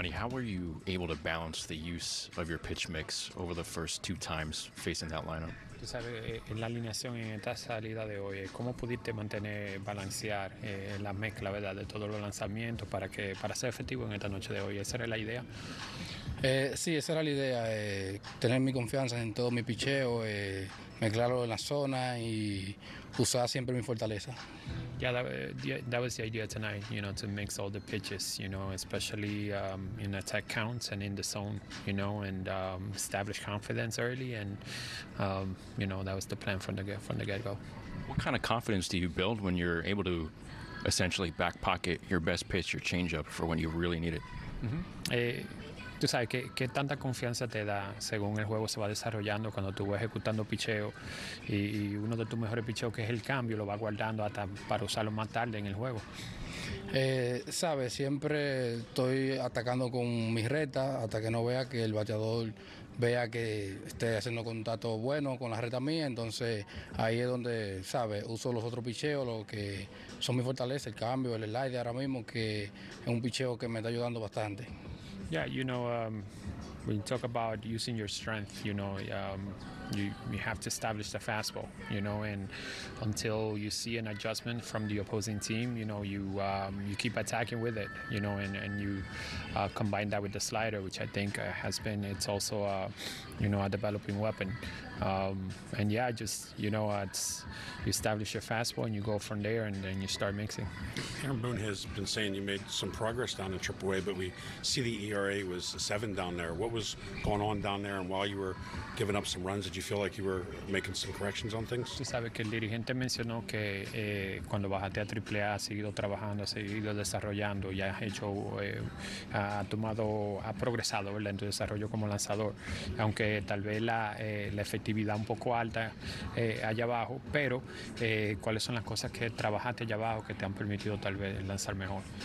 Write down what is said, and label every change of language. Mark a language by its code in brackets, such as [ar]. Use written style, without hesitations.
[en] how were you able to balance the use of your pitch mix over the first two times facing that lineup? [es] Tú sabes, en la alineación en esta salida de hoy, ¿cómo pudiste mantener, balancear la mezcla, verdad, de todos los lanzamientos para que para ser efectivo en esta noche de hoy? ¿Esa era la idea? Sí, esa era la idea, tener mi confianza en todo mi picheo, mezclarlo en la zona y usar siempre mi fortaleza. [en] Yeah, that was the idea tonight, you know, to mix all the pitches, you know, especially in attack counts and in the zone, you know, and establish confidence early. And, you know, that was the plan from the get-go. What kind of confidence do you build when you're able to essentially back pocket your best pitch, your changeup, for when you really need it? [es] Tú sabes, ¿qué tanta confianza te da según el juego se va desarrollando cuando tú vas ejecutando picheo y uno de tus mejores picheos, que es el cambio, lo va guardando hasta para usarlo más tarde en el juego? Sabes, siempre estoy atacando con mi reta hasta que no vea que el bateador vea que esté haciendo contacto bueno con la reta mía. Entonces ahí es donde, sabes, uso los otros picheos, lo que son mi fortaleza, el cambio, el slide ahora mismo, que es un picheo que me está ayudando bastante. [en] Yeah, you know, when you talk about using your strength, you know, you have to establish the fastball, you know, and until you see an adjustment from the opposing team, you know, you keep attacking with it, you know, and you combine that with the slider, which I think it's also, you know, a developing weapon. And yeah, just, you know, you establish your fastball and you go from there and then you start mixing. Aaron Boone has been saying you made some progress down in AAA, but we see the ERA was 7 down there. What was going on down there, and while you were giving up some runs, did you feel like you were making some corrections on things? [es] Tú sabes que el dirigente mencionó que cuando bajaste a Triple A, ha seguido trabajando, ha seguido desarrollando, ya ha progresado, ¿verdad?, en tu desarrollo como lanzador, aunque tal vez la efectividad un poco alta allá abajo, pero ¿cuáles son las cosas que trabajaste allá abajo que te han permitido tal vez lanzar mejor?